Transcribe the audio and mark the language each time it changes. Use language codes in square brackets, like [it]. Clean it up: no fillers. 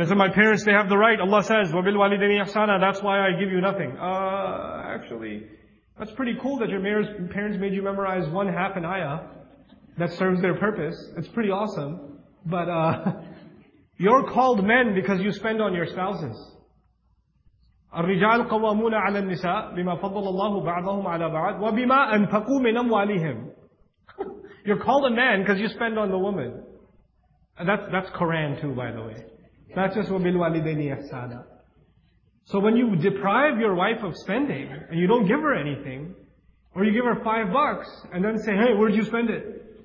[en] As in, my parents, they have the right. Allah says, [ar] وَبِالْوَالِدَيْنِ إِحْسَانًا, [en] that's why I give you nothing. Actually, that's pretty cool that your parents made you memorize one half an ayah that serves their purpose. It's pretty awesome. But you're called men because you spend on your spouses. [ar] الرجال قوامون على النساء بما فضل الله بعضهم على بعض وبما أنفقوا من أموالهم. [en] You're called a man because you spend on the woman. And that's Quran too, by the way. That's just [ar] وَبِالْوَالِدَيْنِ إِحْسَانًا. [en] So when you deprive your wife of spending and you don't give her anything, or you give her $5 and then say, hey, where'd you spend it?